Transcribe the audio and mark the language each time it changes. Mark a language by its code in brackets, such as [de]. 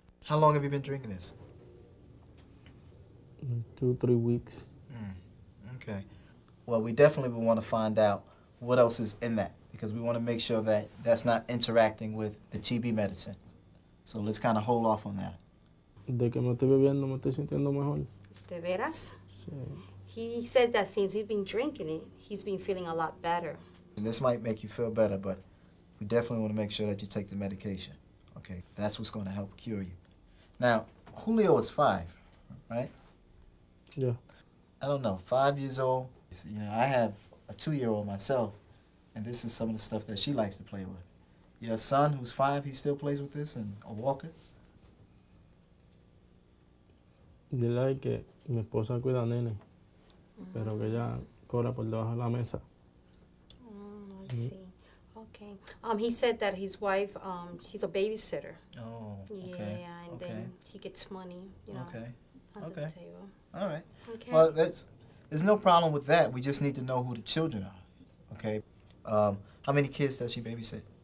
[en] How long have you been drinking this? 2-3 weeks. Mm. Okay. Well, we definitely would want to find out what else is in that because we want to make sure that that's not interacting with the TB medicine. So let's kind of hold off on that. [es] De que me estoy bebiendo, me estoy sintiendo mejor. ¿De veras? Sí. [en] He said that since he's been drinking it, he's been feeling a lot better. And this might make you feel better, but we definitely want to make sure that you take the medication. Okay, that's what's going to help cure you. Now, Julio is 5, right? Yeah. I don't know, 5 years old. You know, I have a 2-year-old myself, and this is some of the stuff that she likes to play with. Your son, who's 5, he still plays with this and a walker? [es] Yo le que mi esposa cuida a nene, pero que ella cobra por debajo de la mesa. [en] Oh, I see. OK. Okay. He said that his wife, she's a babysitter. Oh, okay. Yeah, and okay. Then she gets money, you know. Okay. Under the table. All right. Okay. Well, there's no problem with that. We just need to know who the children are, okay? How many kids does she babysit?